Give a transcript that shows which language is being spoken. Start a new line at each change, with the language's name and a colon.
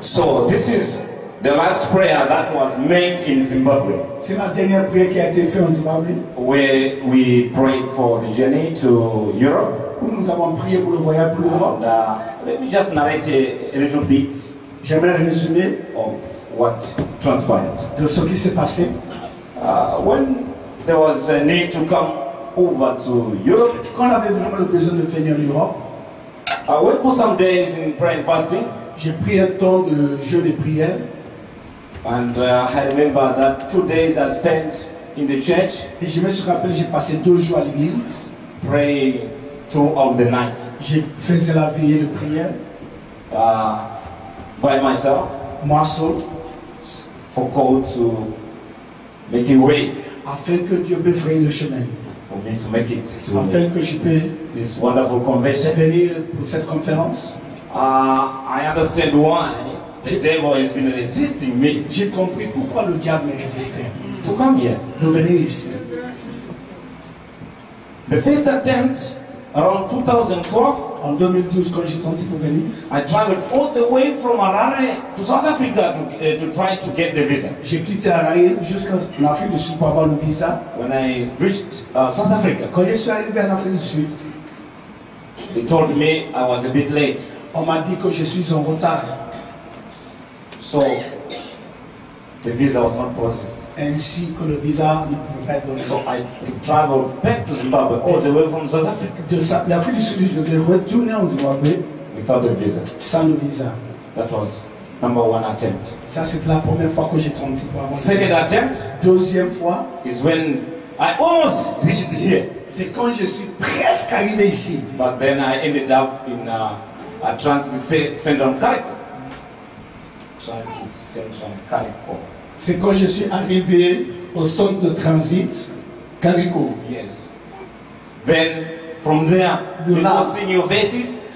English: So this is the last prayer that was made in Zimbabwe.
French: C'est la dernière prière qui a été faite en Zimbabwe.
English: Where we prayed for the journey to Europe.
French: Où nous avons prié pour le voyage pour l'Europe.
English: And, let me just narrate a little bit.
French: J'aimerais résumer
English: of what transpired.
French: De ce qui s'est passé.
English: When there was a need to come. Over to Europe.
French: Quand on avait vraiment le besoin de venir en Europe,
English: I went for some days in prayer and fasting.
French: J'ai pris un temps de jeûne et prière.
English: And I remember that 2 days I spent in the church.
French: Et je me suis rappelé, j'ai passé 2 jours à l'église.
English: Praying throughout the night.
French: J'ai fait la veillée de prière.
English: By myself.
French: Moi seul.
English: For God to make a way.
French: Afin que Dieu me fraye le chemin.
English: For me to make it to
French: afin que je peux
English: this wonderful convention.
French: Venir pour cette conférence.
English: I understand why the devil has been resisting me.
French: J'ai compris pourquoi le diable me résistait.
English: To come here.
French: De venir ici.
English: The first attempt around 2012.
French: En 2012, quand j'ai tenté pour venir,
English: I traveled all the way from Harare to South Africa to try to get the visa.
French: J'ai quitté Harare jusqu'à l'Afrique du Sud pour avoir le visa.
English: When I reached South Africa,
French: quand je suis arrivé en Afrique du Sud,
English: they told me I was a bit late.
French: On m'a dit que je suis en retard.
English: So the visa was not processed.
French: Ainsi que le visa ne pouvait pas être donné.
English: So I traveled back to Zimbabwe all the way from South Africa.
French: De l'Afrique du Sud, je vais retourner en Zimbabwe.
English: Without a visa.
French: Sans le visa.
English: That was number one attempt.
French: Ça c'est la première fois que j'ai tenté pour avoir.
English: Second attempt.
French: Deuxième fois.
English: Is when I almost reached here.
French: C'est quand je suis presque arrivé ici.
English: But then I ended up in a transit center in Kariko. Transit center in Kariko.
French: C'est quand je suis arrivé au centre de transit Kariko.
English: Yes. Then from there,
French: de là,
English: before seeing your faces,